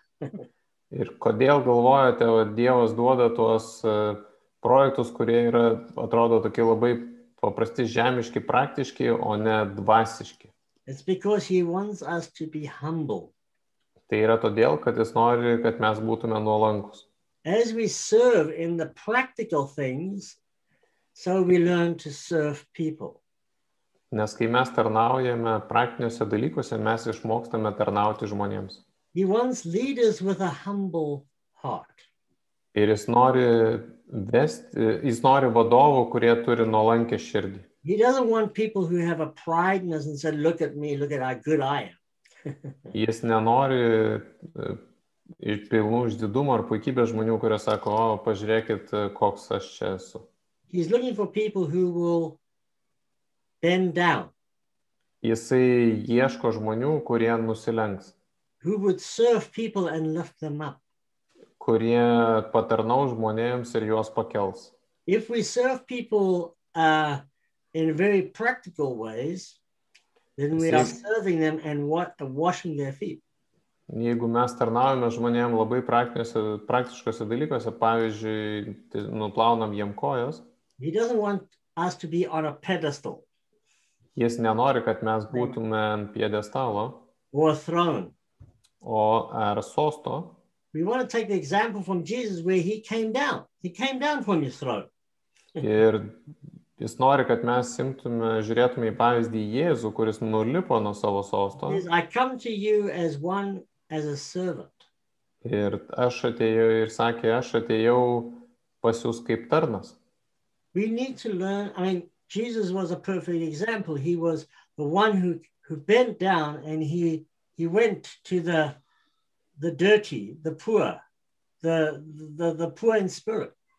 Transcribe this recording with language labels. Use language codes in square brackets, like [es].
[lt] Ir kodėl galvojate, kad Dievas duoda tuos projektus, kurie yra atrodo tokie labai paprasti, žemiški, praktiški, o ne dvasiški? [en] It's because he wants us to be humble. [lt] Tai yra todėl, kad jis nori, kad mes būtume nuolankus. [en] As we serve in the practical things, so we learn to serve people. [lt] Nes kai mes tarnaujame praktiniuose dalykuose, mes išmokstame tarnauti žmonėms. [en] He wants leaders with a humble heart. [lt] Ir jis nori vadovų, kurie turi nuolankę širdį. [en] He doesn't want people who have a prideness and say, look at me, look at how good I am. [lt] Jis nenori iš pilnų išdidumo ar puikybės žmonių, kurie sako, o, pažiūrėkit, koks aš čia esu. [en] He's looking for people who will bend down. [lt] Jisai ieško žmonių, kurie nusilenks. [en] Who would serve people and lift them up. [lt] Kurie patarnau žmonėms ir juos pakels. [en] If we serve people in very practical ways, then we are serving them and washing their feet. [lt] Jeigu mes tarnaujame žmonėms labai praktiškose dalykuose, pavyzdžiui, tai nuplaunam jiem kojas. [en] He doesn't want us to be on a pedestal. [lt] Jis nenori, kad mes būtume ant piedestalo. [en] Or a throne. [lt] O ar sosto? [en] We want to take the example from Jesus where he came down. He came down from his throne. [lt] Ir jis nori, kad mes simtume, žiūrėtume į pavyzdį Jėzų, kuris nulipo nuo savo sosto. [en] I come to you as one, as a servant. [lt] Ir aš atėjau ir sakė, aš atėjau pas jūs kaip tarnas. [en] We need to learn, I mean, Jesus was a perfect example. He was the one who bent down and he went to the dirty, the poor, the poor in spirit.